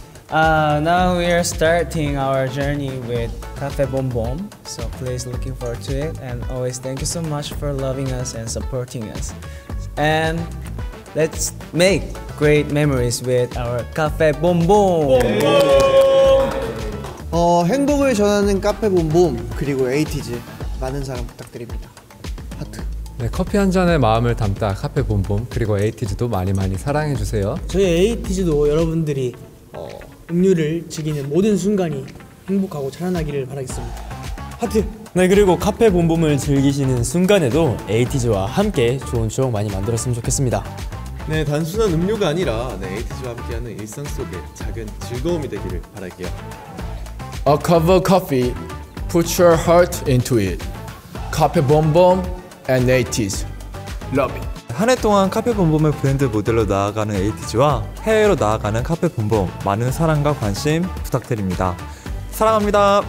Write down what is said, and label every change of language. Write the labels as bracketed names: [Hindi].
[English] Now we are starting our journey with Cafe Bom Bom. So please looking forward to it and always thank you so much for loving us and supporting us. And let's make great memories with our Cafe Bom Bom. [Korean] 행복을 전하는 카페 봄봄 그리고 에이티즈 많은 사랑 부탁드립니다. 하트. 네, 커피 한 잔의 마음을 담다 카페 봄봄 그리고 에이티즈도 많이 많이 사랑해 주세요. 저희 에이티즈도 여러분들이 음료를 즐기는 모든 순간이 행복하고 찬란하기를 바라겠습니다. 하트! 네, 그리고 카페 봄봄을 즐기시는 순간에도 에이티즈와 함께 좋은 추억 많이 만들었으면 좋겠습니다. 네, 단순한 음료가 아니라 네, 에이티즈와 함께하는 일상 속의 작은 즐거움이 되기를 바랄게요. [English] A cup of coffee, put your heart into it. [Korean] 카페 봄봄 and 에이티즈. [English] Love it. [Korean] 한 해 동안 카페 봄봄의 브랜드 모델로 나아가는 에이티즈와 해외로 나아가는 카페 봄봄 많은 사랑과 관심 부탁드립니다. 사랑합니다.